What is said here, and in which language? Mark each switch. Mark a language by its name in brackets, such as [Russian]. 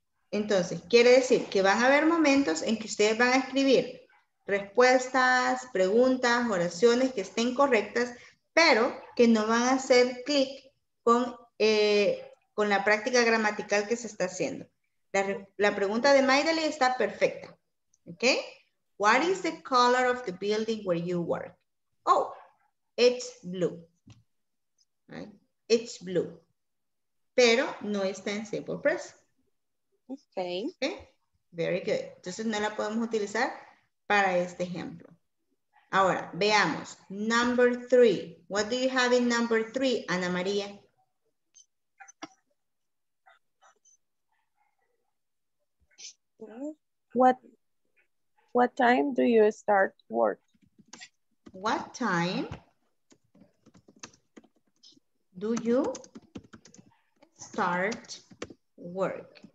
[Spanish] Entonces, quiere decir que van a haber momentos en que ustedes van a escribir respuestas, preguntas, oraciones que estén correctas, pero que no van a hacer clic con la práctica gramatical que se está haciendo. La pregunta de Maideli está perfecta. ¿Ok? [English] What is the color of the building where you work? Oh, it's blue. Right? It's blue. [Spanish] Pero no está en simple present. [English] Okay. Ok. Very good. [Spanish] Entonces no la podemos utilizar para este ejemplo. Ahora, veamos. Number three. [English] What do you have in number three, Ana María? What time do you start work? What time do you start work?